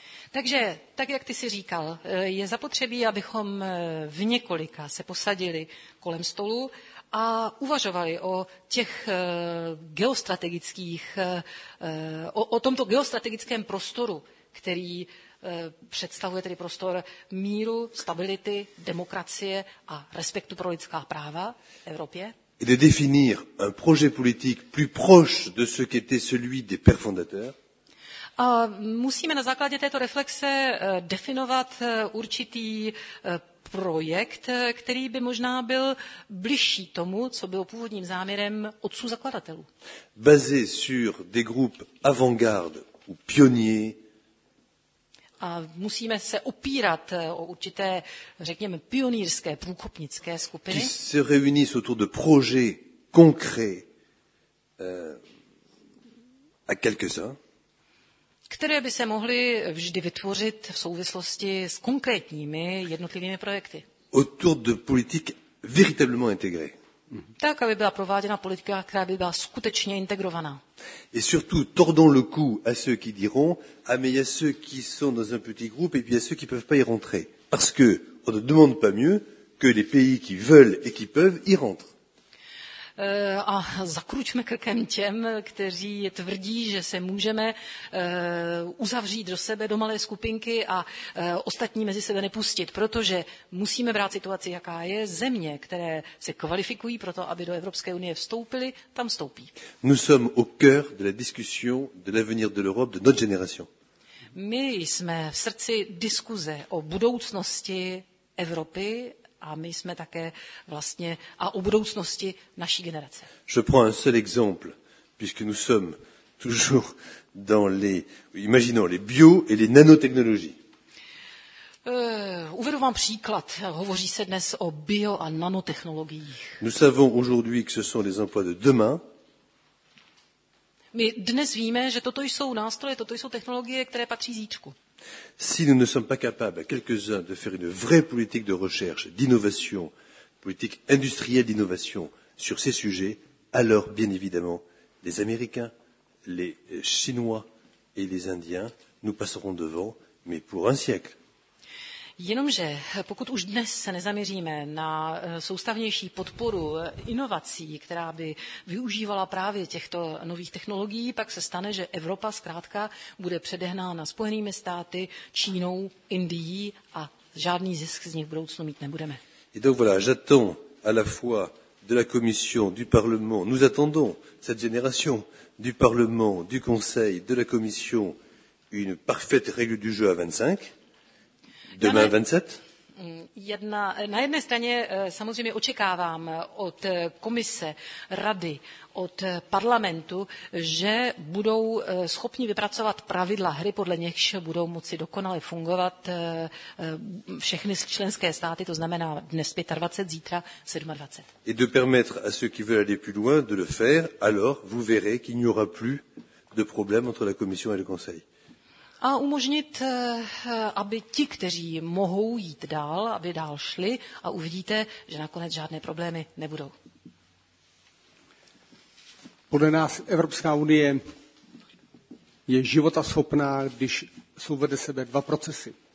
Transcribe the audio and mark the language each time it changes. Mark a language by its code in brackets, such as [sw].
[cs] Takže, tak jak ty jsi říkal, je zapotřebí, abychom v několika se posadili kolem stolu a uvažovali o těch geostrategických, o tomto geostrategickém prostoru, který představuje tedy prostor míru, stability, demokracie a respektu pro lidská práva v Evropě. [fr] Et de définir un projet politique plus proche de ce qu'était celui des pères fondateurs. [cs] A musíme na základě této reflexe definovat určitý projekt, který by možná byl bližší tomu, co bylo původním záměrem otců zakladatelů. [fr] Basé sur des groupes avant-garde ou pionniers. [cs] A musíme se opírat o určité, řekněme, pionýrské, průkopnické skupiny. [fr] Qui se réunissent autour de projets concrets à quelques-uns. [cs] Které by se mohly vždy vytvořit v souvislosti s konkrétními jednotlivými projekty. [fr] Autour de politique véritablement intégrée. [cs] Tak, aby byla prováděna politika, která by byla skutečně integrovaná. [fr] Et surtout, tordons le cou à ceux qui diront, ah mais il y a ceux qui sont dans un petit groupe et puis il y a ceux qui ne peuvent pas y rentrer. Parce que on ne demande pas mieux que les pays qui veulent et qui peuvent y rentrer. [cs] A zakručme krkem těm, kteří tvrdí, že se můžeme uzavřít do sebe, do malé skupinky a ostatní mezi sebe nepustit, protože musíme brát situaci, jaká je. Země, které se kvalifikují pro to, aby do Evropské unie vstoupily, tam vstoupí. [fr] Nous sommes au cœur de la discussion de l'avenir de l'Europe de notre génération. [cs] My jsme v srdci diskuze o budoucnosti Evropy. A my jsme také vlastně a o budoucnosti naší generace. [fr] Je prends un seul exemple, puisque nous sommes toujours dans les, imaginons, les bio et les nanotechnologies. [cs] Uvedu vám příklad. Hovoří se dnes o bio a nanotechnologiích. [fr] Nous savons aujourd'hui que ce sont les emplois de demain. [cs] My dnes víme, že toto jsou nástroje, toto jsou technologie, které patří zítřku. [fr] Si nous ne sommes pas capables, quelques-uns, de faire une vraie politique de recherche, d'innovation, politique industrielle d'innovation sur ces sujets, alors, bien évidemment, les Américains, les Chinois et les Indiens, nous passerons devant, mais pour un siècle. [cs] Jenomže pokud už dnes se nezaměříme na soustavnější podporu inovací, která by využívala právě těchto nových technologií, pak se stane, že Evropa zkrátka bude předehnána Spojenými státy, Čínou, Indií a žádný zisk z nich v budoucnu mít nebudeme. [fr] Et donc voilà, j'attends à la fois de la Commission, du Parlement, nous attendons cette génération du Parlement, du Conseil, de la Commission, une parfaite règle du jeu à 25. Demain 27. [cs] Na jedné straně samozřejmě očekávám od komise, rady, od parlamentu, že budou schopni vypracovat pravidla hry, podle něchž budou moci dokonale fungovat všechny členské státy, to znamená dnes 25, zítra 27. [fr] Et de permettre à ceux qui veulent aller plus loin de le faire, alors vous verrez qu'il n'y aura plus de problème entre la Commission et le Conseil. [cs] A umožnit, aby ti, kteří mohou jít dál, aby dál šli a uvidíte, že nakonec žádné problémy nebudou. Podle nás Evropská unie je životaschopná, když jsou vedle sebe dva procesy.